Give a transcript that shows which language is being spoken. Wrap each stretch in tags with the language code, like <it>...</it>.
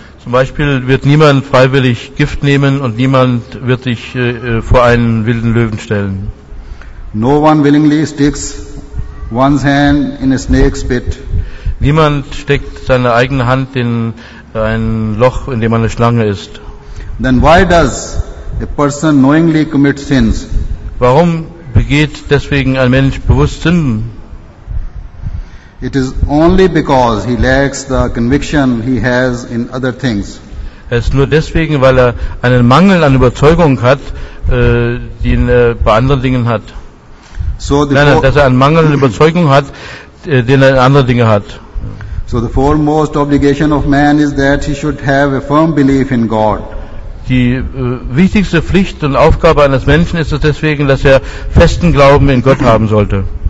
<de>Zum Beispiel wird niemand freiwillig Gift nehmen und niemand wird sich vor einen wilden Löwen stellen.</de> <en>No one willingly sticks one's hand in a snake's pit.</en> <de>Niemand steckt seine eigene Hand in ein Loch, in dem eine Schlange ist.</de> <en>Then why does a person knowingly commit sins?</en> <de>Warum begeht deswegen ein Mensch bewusst Sünden?</de> <en>It is only because he lacks the conviction he has in other things.</en> <de>Es ist nur deswegen, weil er einen Mangel an Überzeugung hat, den er bei anderen Dingen hat.</de> <en>So</en> <de>dass er einen Mangel an Überzeugung hat, den er in anderen Dingen hat.</de> <en>So the foremost obligation of man is that he should have a firm belief in God.</en> <de>Die wichtigste Pflicht und Aufgabe eines Menschen ist es deswegen, dass er festen Glauben in Gott haben sollte.</de>